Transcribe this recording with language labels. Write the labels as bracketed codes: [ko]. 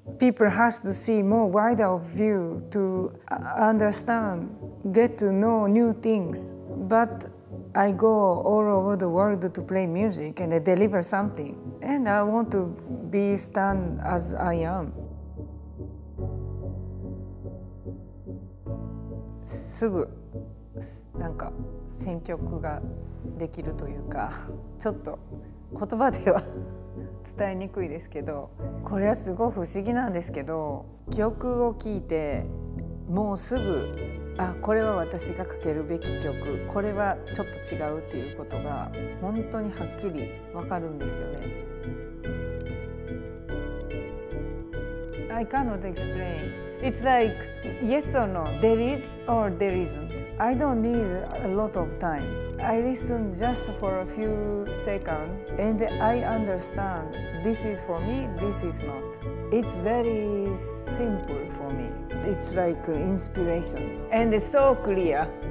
[en] People has to see more wider view to understand, get to know new things. But I go all over the world to play music and I deliver something. And I want to be stand as I am. [ja] Sugu, nanka, senkyoku ga できるというか、ちょっと言葉では伝えにくいですけど、これはすごい不思議なんですけど、曲を聴いてもうすぐ、あ、これは私が書けるべき曲、これはちょっと違うということが本当にはっきり分かるんですよね。 [en] I cannot explain. It's like yes or no, there is or there isn't. I don't need a lot of timeI listen just for a few seconds and I understand this is for me, this is not. It's very simple for me. It's like inspiration and it's so clear.